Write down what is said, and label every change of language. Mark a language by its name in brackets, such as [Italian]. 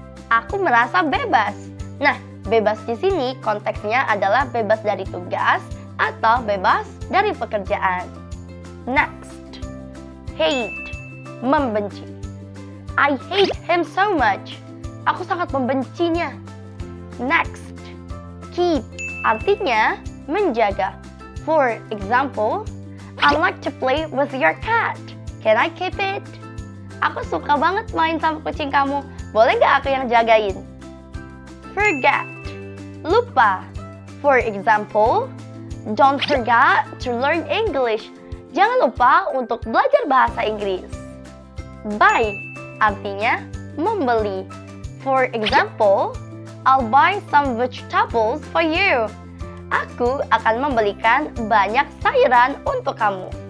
[Indonesian] Aku merasa bebas. Nah, bebas di sini konteksnya adalah bebas dari tugas atau bebas dari pekerjaan. Next, hate, membenci. [English] I hate him so much. [Indonesian] Aku sangat membencinya. Next, keep, artinya menjaga. [English] For example, I like to play with your cat. Can I keep it? [Indonesian] Aku suka banget main sama kucing kamu. Boleh gak aku yang jagain? [English] Forget, lupa. For example, don't forget to learn English. [Indonesian] jangan lupa untuk belajar bahasa Inggris. Buy artinya membeli. [English] For example, I'll buy some vegetables for you. [Indonesian] Aku akan membelikan banyak sayuran untuk kamu.